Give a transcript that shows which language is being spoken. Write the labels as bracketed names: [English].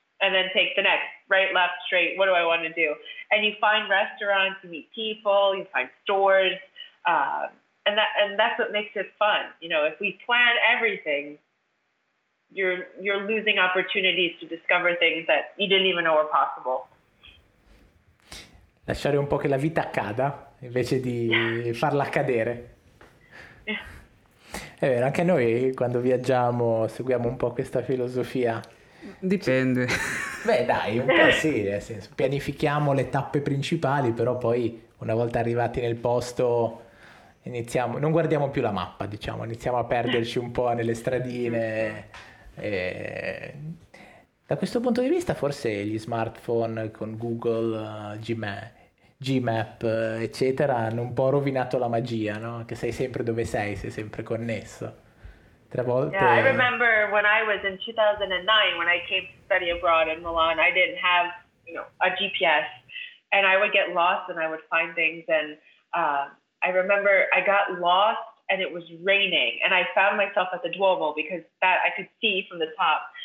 [English] And then take the next right, left, straight. What do I want to do? And you find restaurants, you meet people, you find stores. And that's what makes it fun. You know, if we plan everything, you're losing opportunities to discover things that you didn't even know were possible. [Italian] Lasciare un po' che la vita accada invece di farla accadere. È vero, anche noi quando viaggiamo seguiamo un po' questa filosofia. Dipende. Beh, dai, un po' sì, nel senso, pianifichiamo le tappe principali, però poi una volta arrivati nel posto iniziamo, non guardiamo più la mappa, diciamo, iniziamo a perderci un po' nelle stradine. E da questo punto di vista forse gli smartphone con Google, Gmap, eccetera, hanno un po' rovinato la magia, no? Che sei sempre dove sei sempre connesso. Tre volte... [English] Yeah, I remember when I was in 2009, when I came to study abroad in Milan, I didn't have, you know, a GPS, and I would get lost and I would find things and... I remember I got lost and it was raining and I found myself at the Duomo because that I could see from the top.